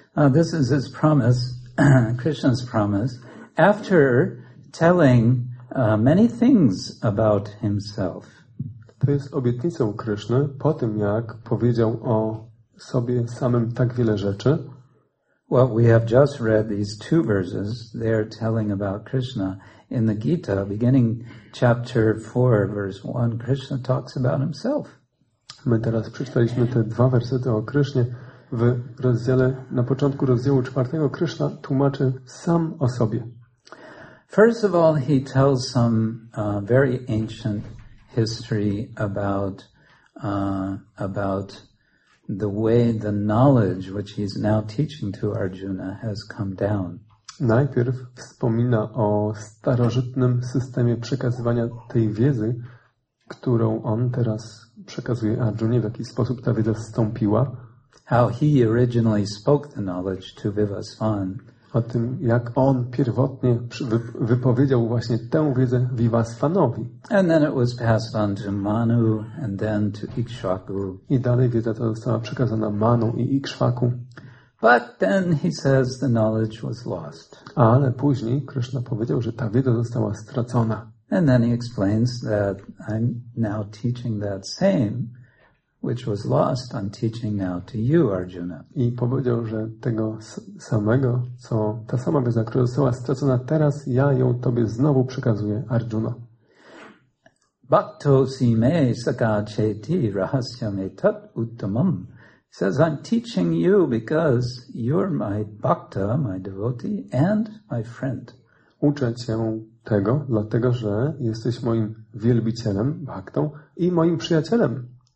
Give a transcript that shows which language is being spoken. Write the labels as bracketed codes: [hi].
[en] This is his promise, Krishna's promise, after telling many things about himself. [pl] To jest obietnicą Krishny po tym, jak powiedział o sobie samym tak wiele rzeczy. [en] Well, we have just read these two verses. They are telling about Krishna in the Gita, beginning chapter 4, verse 1. Krishna talks about himself. [pl] My teraz przeczytaliśmy te dwa wersety o Krishnie. W rozdziale, na początku rozdziału czwartego, Krishna tłumaczy sam o sobie. [en] First of all, he tells some very ancient history about the way the knowledge which he's now teaching to Arjuna has come down. [pl] Najpierw wspomina o starożytnym systemie przekazywania tej wiedzy, którą on teraz przekazuje Arjunie, w jaki sposób ta wiedza zstąpiła. [en] How he originally spoke the knowledge to Vivasvan. [pl] O tym, jak on pierwotnie wypowiedział właśnie tę wiedzę Vivasvanowi. [en] And then it was passed on to Manu and then to Ikshvaku. [pl] I dalej wiedza ta została przekazana Manu i Ikshvaku. [en] But then he says the knowledge was lost. [pl] Ale później Krishna powiedział, że ta wiedza została stracona. [en] And then he explains that I'm now teaching that same which was lost, I'm teaching now to you, Arjuna. [pl] I powiedział, że tego samego, co ta sama wiedza, która została stracona, teraz ja ją tobie znowu przekazuję, Arjuna. [sa] Bhakto si me saka cheti rahasyam etat uttamam. [en] He says, I'm teaching you because you're my bhakta, my devotee, and my friend. [pl] Uczę cię tego, dlatego że jesteś moim wielbicielem, bhaktą, i moim przyjacielem.